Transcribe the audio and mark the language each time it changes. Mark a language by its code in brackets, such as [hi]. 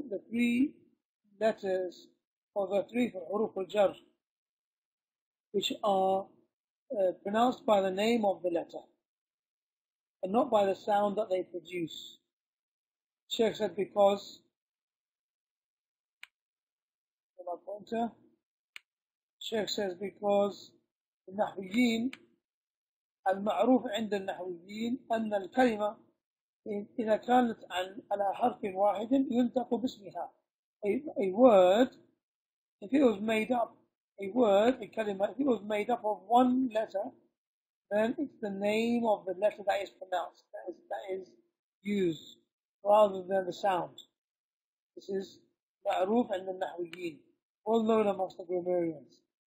[en] three letters or the three for huruf al-jar, which are pronounced by the name of the letter and not by the sound that they produce. Shaykh said because my pointer. Shaykh says because [ar] النحويين المعروف عند النحويين أن الكلمة إذا كانت على حرف واحد ينطق باسمها. [en] A word, if it was made up, if it was made up of one letter, then it's the name of the letter that is pronounced, that is used, rather than the sound. This is ma'roof and the nahwiyin, well known amongst the grammarians.